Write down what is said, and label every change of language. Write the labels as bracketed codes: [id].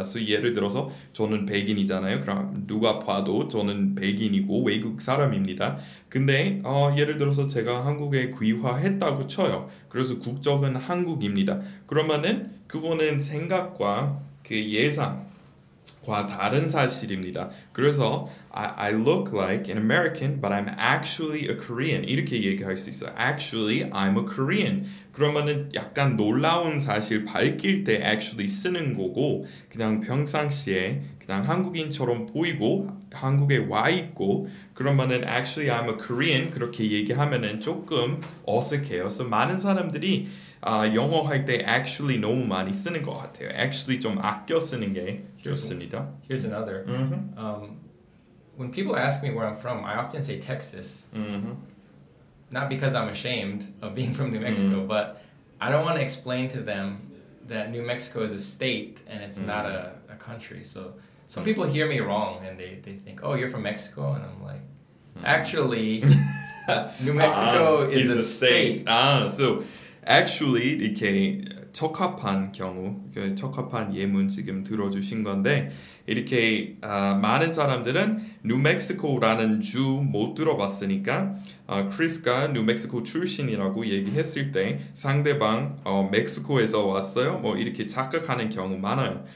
[ko] So 예를 들어서 저는 백인이잖아요. 그럼 누가 봐도 저는 백인이고 외국 사람입니다. 근데 예를 들어서 제가 한국에 귀화했다고 쳐요. 그래서 국적은 한국입니다. 그러면은 그거는 생각과 그 예상과 다른 사실입니다. 그래서 [en] I look like an American, but I'm actually a Korean. [ko] 이렇게 얘기할 수 있어요. [en] Actually, I'm a Korean. [ko] 그러면은 약간 놀라운 사실 밝힐 때 actually 쓰는 거고 그냥 평상시에 그냥 한국인처럼 보이고 한국에 와 있고 그러면은 [en] actually I'm a Korean [ko] 그렇게 얘기하면은 조금 어색해요. So 많은 사람들이 영어 할 때 actually 너무 많이 쓰는 것 같아요. Actually 좀 아껴 쓰는 게 좋습니다. [en] Here's another. Mm-hmm. When people ask me where I'm from, I often say Texas. Mm-hmm. Not because I'm ashamed of being from New Mexico, mm-hmm. but I don't want to explain to them that New Mexico is a state and it's mm-hmm. not a country. So some people hear me wrong and they think, oh, you're from Mexico. And I'm like, actually, New Mexico is a state. So actually, [ko] 이렇게 적합한 경우, 적합한 예문 지금 들어주신 건데 이렇게 많은 사람들은 뉴멕시코라는 주 못 들어봤으니까 크리스가 뉴멕시코 출신이라고 얘기했을 때 상대방 멕시코에서 왔어요 뭐 이렇게 착각하는 경우 많아요.